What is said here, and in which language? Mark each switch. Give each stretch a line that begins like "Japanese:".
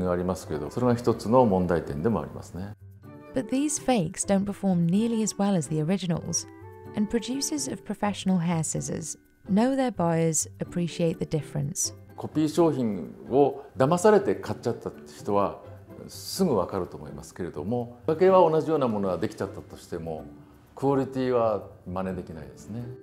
Japanese: 当社だけじゃなくて、日本のハサミメーカーさんは外国のハサミ屋さんにコピーされてるんです。来週ちょっと同業者の社長さんたちとミーティングがありますけど、それが一つの問題点でもありますね。
English: But these fakes don't perform nearly as well as the originals, and producers of professional hair scissors know their buyers appreciate the difference.
Japanese: コピー商品を騙されて買っちゃった人はすぐわかると思いますけれども、だけは同じようなものができちゃったとしても、クオリティは真似できないですね。